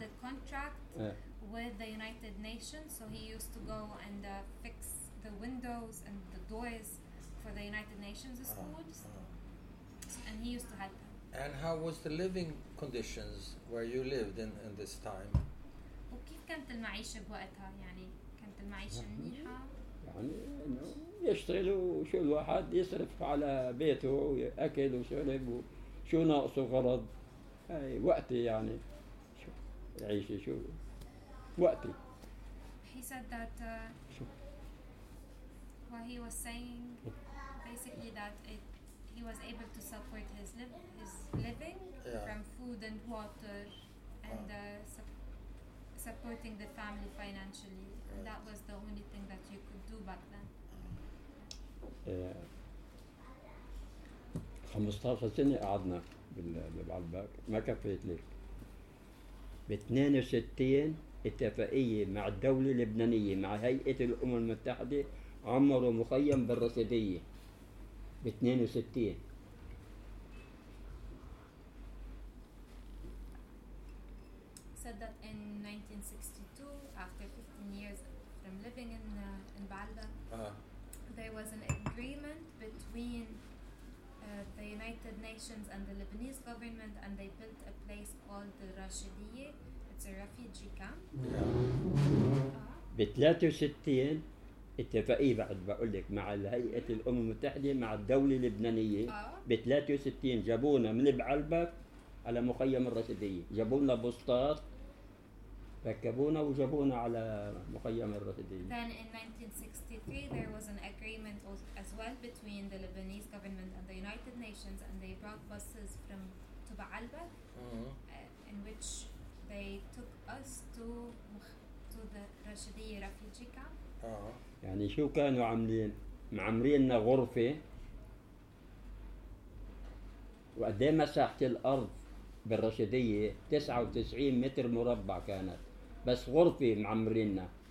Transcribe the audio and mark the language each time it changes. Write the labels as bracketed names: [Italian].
[English] Had a contract with the United Nations, so he used to go and fix the windows and the doors for the United Nations schools, and he used to help them. And how was the living conditions where you lived in this time? [Arabic] وكيف كانت المعيشة بوقتها يعني كانت المعيشة منيحة؟ يعني إنه يشتغل وشو الواحد يصرف على بيته أكل وشرب وشو ناقصه غرض هاي وقتي يعني شو عيشي شو وقتي. [English] He said that what he was saying basically that he was able to support his living from food and water and supporting the family financially. And that was the only thing that you could do back then. [Arabic] 15 سنة قعدنا بالبعلبك ما كفيت لك. ب 62 اتفاقية مع الدولة اللبنانية مع هيئة الأمم المتحدة عمروا مخيم بالرصيدية ب 62 [English] said that in 1962 after 15 years from living in Baalbek there was an agreement between the United Nations and the Lebanese government and they built a place called the Rashidiye. It's a refugee camp. [Arabic] ب 63 اتفاقية بعد بقول لك مع هيئة الأمم المتحدة مع الدولة اللبنانية ب 63 جابونا من بعلبك على مخيم الرشيدية جابونا بسطات ركبونا وجابونا على مخيم الرشيدية. [English] Then in 1963 there was an agreement as well between the Lebanese government and the United Nations and they brought buses from to بعلبك in which they took us to the Rashidiye refugee camp. [Arabic] يعني شو كانوا عاملين معمريننا غرفة وقديه مساحة الأرض بالرشيدية 99 متر مربع كانت بس غرفة معمريننا